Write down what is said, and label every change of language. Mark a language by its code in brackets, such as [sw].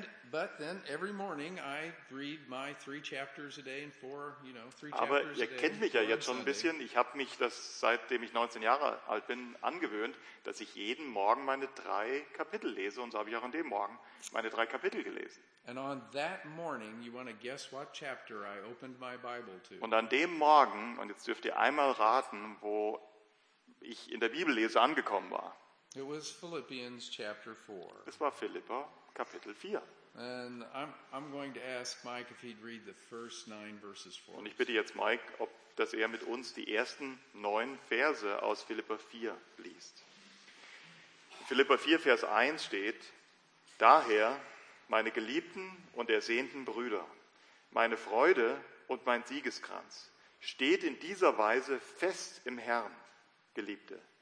[en] But then every morning I read my 3 chapters a day and 4, you know, 3 chapters a day. [de] Aber ihr kennt mich ja jetzt schon ein bisschen. Ich habe mich das, seitdem ich 19 Jahre alt bin, angewöhnt, dass ich jeden Morgen meine 3 Kapitel lese, und so habe ich auch an dem Morgen meine 3 Kapitel gelesen. [en] And on that morning, you want to guess what chapter I opened my Bible to. [de] Und an dem Morgen, und jetzt dürft ihr einmal raten, wo ich in der Bibellese angekommen war. [en] It was Philippians chapter 4. [de] Es war Philippa Kapitel 4. [en] And I'm going to ask Mike if he'd read the first 9 verses for us. [de] Und ich bitte jetzt Mike, ob dass er mit uns die ersten 9 Verse aus Philippa 4 liest. In Philippa 4 Vers 1 steht: Daher, meine geliebten und ersehnten Brüder, meine Freude und mein Siegeskranz, steht in dieser Weise fest im Herrn, Geliebte.